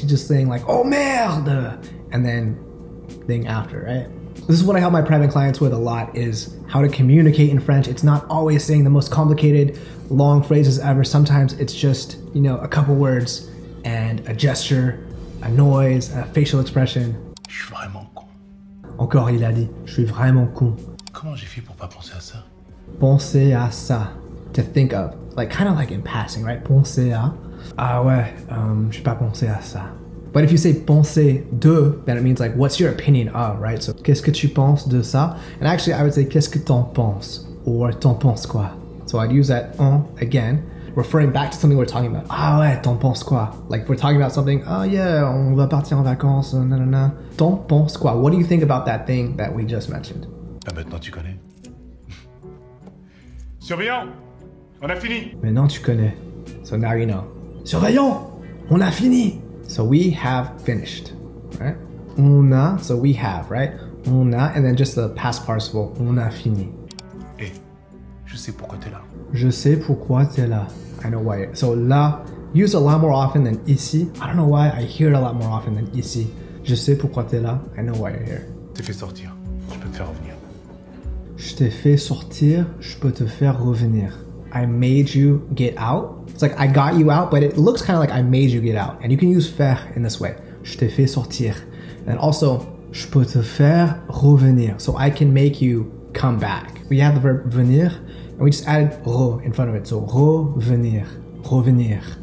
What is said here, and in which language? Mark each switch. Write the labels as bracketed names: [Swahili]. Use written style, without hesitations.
[English] You're just saying like, [French] oh merde, [English] and then thing after, right? This is what I help my private clients with a lot, is how to communicate in French. It's not always saying the most complicated, long phrases ever. Sometimes it's just, you know, a couple words and a gesture, a noise, a facial expression. [French] Je suis vraiment con. Encore il a dit, je suis vraiment con. Comment j'ai fait pour pas penser à ça? Penser à ça. [English] To think of. Like, kind of like in passing, right? [French] Penser à. Ah ouais, j'ai pas pensé à ça. [English] But if you say penser de, then it means like, what's your opinion of, right? So, [French] qu'est-ce que tu penses de ça? [English] And actually, I would say, [French] qu'est-ce que t'en penses? [English] Or, [French] t'en penses quoi? [English] So I'd use that en again, referring back to something we're talking about. [French] Ah ouais, t'en penses quoi? [English] Like, we're talking about something, oh yeah, [French] on va partir en vacances, nanana. T'en penses quoi? [English] What do you think about that thing that we just mentioned? [French] Bah maintenant tu connais. Surveillant, on a fini. Maintenant tu connais. [English] So now you know. [French] Surveillant, on a fini. [English] So we have finished, right? [French] On a, [English] so we have, right? [French] On a, [English] and then just the past participle, [French] on a fini. Hey, je sais pourquoi t'es là. Je sais pourquoi t'es là. [English] I know why. So là, used a lot more often than ici. I don't know why, I hear it a lot more often than ici. [French] Je sais pourquoi t'es là. [English] I know why you're here. [French] T'es fait sortir, je peux te faire revenir. Je t'ai fait sortir, je peux te faire revenir. [English] I made you get out. It's like, I got you out, but it looks kind of like I made you get out. And you can use faire in this way. [French] Je t'ai fait sortir. [English] And also, [French] je peux te faire revenir. [English] So I can make you come back. We have the verb venir, and we just added re in front of it. So revenir, revenir.